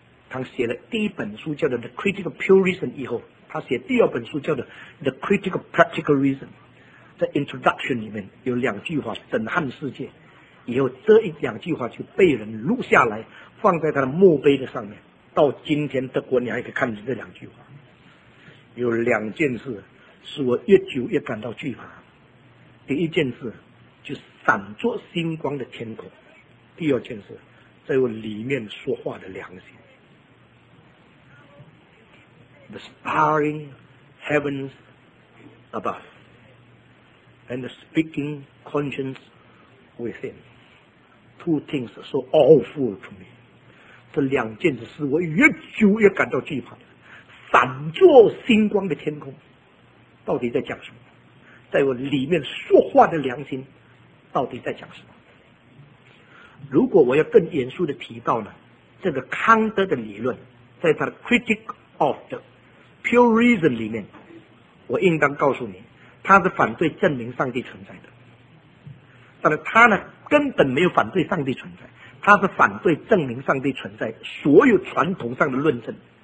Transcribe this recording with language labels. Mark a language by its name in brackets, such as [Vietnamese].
[Chinese] 他写了第一本书叫做 The Critic of Pure Reason 以后，他写第二本书叫做 The Critic of Practical Reason， 在 Introduction 里面有两句话震撼世界，以后这一两句话就被人录下来放在他的墓碑的上面，到今天德国你还可以看见这两句话。有两件事使我越久越感到惧怕，第一件事就闪着星光的天空，第二件事在我里面说话的良心。 [English] The starring heavens above and the speaking conscience within, two things so awful to me。 [Chinese] 这两件事使我越久越感到惧怕，闪着星光的天空到底在讲什么，在我里面说话的良心到底在讲什么。如果我要更严肃的提到呢，这个康德的理论在他的 Critic of the Pure Reason 里面，我应当告诉你他是反对证明上帝存在的，但是他呢根本没有反对上帝存在，他是反对证明上帝存在所有传统上的论证。